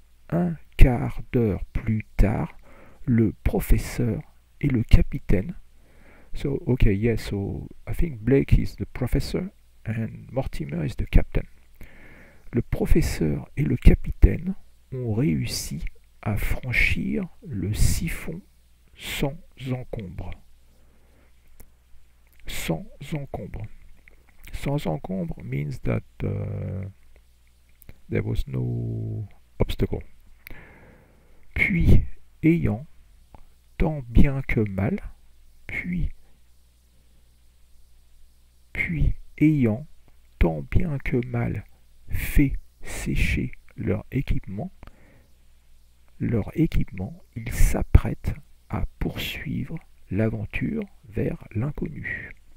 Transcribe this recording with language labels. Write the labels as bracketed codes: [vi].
[fr] Un quart d'heure plus tard, le professeur et le capitaine. [en] So, ok, yes, so I think Blake is the professor and Mortimer is the captain. [fr] Le professeur et le capitaine ont réussi à franchir le siphon sans encombre. Sans encombre. [en] Sans encombre means that there was no obstacle. [fr] Puis ayant tant bien que mal fait sécher leur équipement, ils s'apprêtent à poursuivre l'aventure vers l'inconnu.